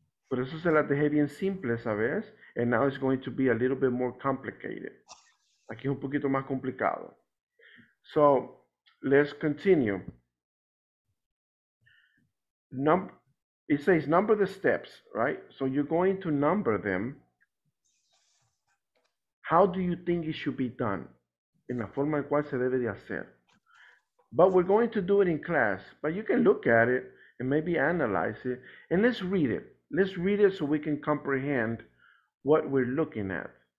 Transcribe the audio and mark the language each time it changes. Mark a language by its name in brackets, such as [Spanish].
[Spanish] Por eso se la dejé bien simple, ¿sabes? [English] And now it's going to be a little bit more complicated. [Spanish] Aquí es un poquito más complicado. [English] So, let's continue. It says number the steps, right? So you're going to number them. How do you think it should be done? [Spanish] En la forma en cual se debe de hacer. [English] But we're going to do it in class. But you can look at it and maybe analyze it. And let's read it. Let's read it so we can comprehend what we're looking at.